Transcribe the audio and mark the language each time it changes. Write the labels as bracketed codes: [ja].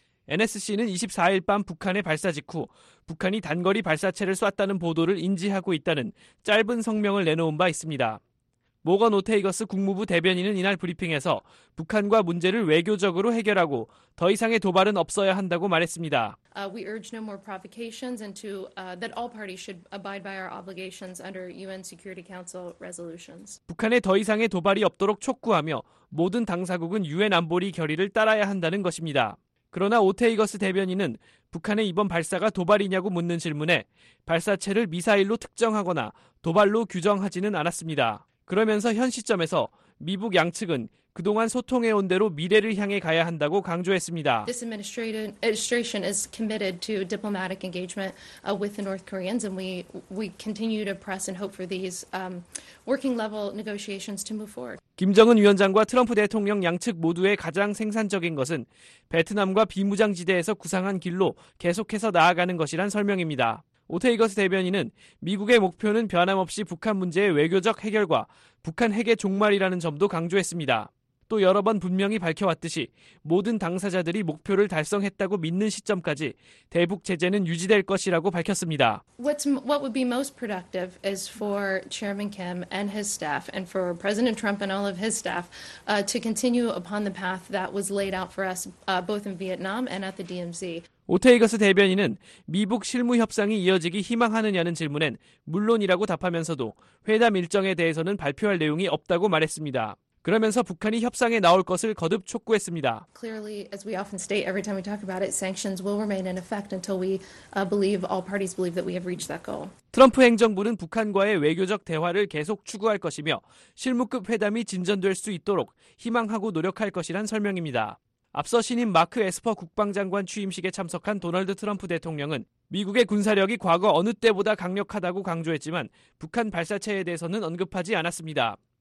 [ko] NSC는 24일 밤 북한의 발사 직후 북한이 단거리 발사체를 쐈다는 보도를 인지하고 있다는 짧은 성명을 내놓은 바 있습니다. 모건 오테이거스 국무부 대변인은 이날 브리핑에서 북한과 문제를 외교적으로 해결하고 더 이상의 도발은 없어야 한다고 말했습니다. [en] We urge no more provocations and to that all parties should abide by our obligations under UN Security Council resolutions. [ko] 북한에 더 이상의 도발이 없도록 촉구하며 모든 당사국은 UN 안보리 결의를 따라야 한다는 것입니다. 그러나 오테이거스 대변인은 북한의 이번 발사가 도발이냐고 묻는 질문에 발사체를 미사일로 특정하거나 도발로 규정하지는 않았습니다. 그러면서 현 시점에서 미북 양측은 그동안 소통해온 대로 미래를 향해 가야 한다고 강조했습니다. [en] This administration is committed to diplomatic engagement with the North Koreans and we continue to press and hope for these working level negotiations to move forward. [ko] 김정은 위원장과 트럼프 대통령 양측 모두의 가장 생산적인 것은 베트남과 비무장지대에서 구상한 길로 계속해서 나아가는 것이란 설명입니다. 오테이거스 대변인은 미국의 목표는 변함없이 북한 문제의 외교적 해결과 북한 핵의 종말이라는 점도 강조했습니다. 또 여러 번 분명히 밝혀왔듯이 모든 당사자들이 목표를 달성했다고 믿는 시점까지 대북 제재는 유지될 것이라고 밝혔습니다. [en] What would be most productive is for Chairman Kim and his staff and for President Trump and all of his staff to continue upon the path that was laid out for us both in Vietnam and at the DMZ. [ko] 오테이거스 대변인은 미북 실무 협상이 이어지기 희망하느냐는 질문엔 물론이라고 답하면서도 회담 일정에 대해서는 발표할 내용이 없다고 말했습니다. 그러면서 북한이 협상에 나올 것을 거듭 촉구했습니다. [en] Clearly, as we often state every time we talk about it, sanctions will remain in effect until we believe all parties believe that we have reached that goal. [ko] 트럼프 행정부는 북한과의 외교적 대화를 계속 추구할 것이며 실무급 회담이 진전될 수 있도록 희망하고 노력할 것이란 설명입니다. 앞서 신임 마크 에스퍼 국방장관 취임식에 참석한 도널드 트럼프 대통령은 미국의 군사력이 과거 어느 때보다 강력하다고 강조했지만 북한 발사체에 대해서는 언급하지 않았습니다.